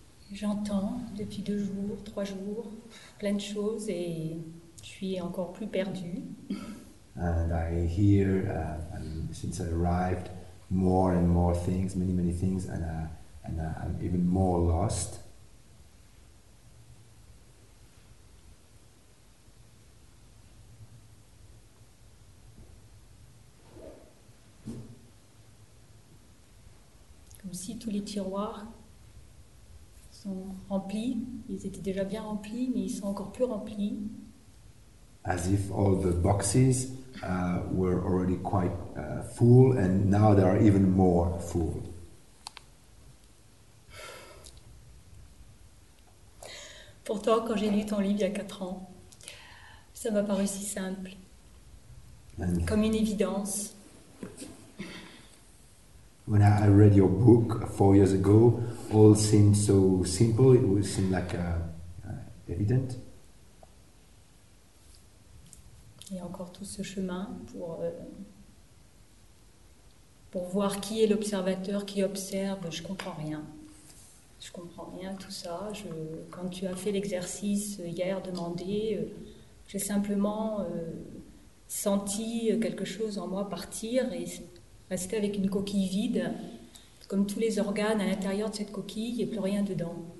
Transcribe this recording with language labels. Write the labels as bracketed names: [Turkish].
[French] J'entends depuis deux jours, trois jours, plein de choses et je suis encore plus perdue. [English] And I hear, since I arrived, more and more things, many, many things, and I'm even more lost. [French] Comme si tous les tiroirs sont remplis, ils étaient déjà bien remplis, mais ils sont encore plus remplis. [English] As if all the boxes were already quite full, and now they are even more full. [French] Pourtant, quand j'ai lu ton livre il y a 4 ans, ça m'a paru si simple, and comme une évidence. [English] When I read your book 4 years ago, all seemed so simple, it would seem like evident. [French] Il y a encore tout ce chemin pour voir qui est l'observateur qui observe. Je comprends rien. Je comprends rien tout ça. Quand tu as fait l'exercice hier, demander, j'ai simplement senti quelque chose en moi partir et rester avec une coquille vide, comme tous les organes à l'intérieur de cette coquille, il n'y a plus rien dedans.